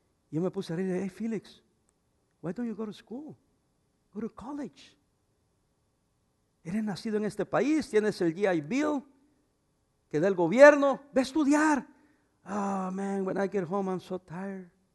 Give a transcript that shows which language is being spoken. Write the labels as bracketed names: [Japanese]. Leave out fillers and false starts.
[Spanish] Y yo me puse a reír, [English] hey, Félix, why don't you go to school? Go to college. [Spanish] Eres nacido en este país, tienes el GI Bill que da el gobierno, ve a estudiar. [English] Oh man, when I get home I'm so tired.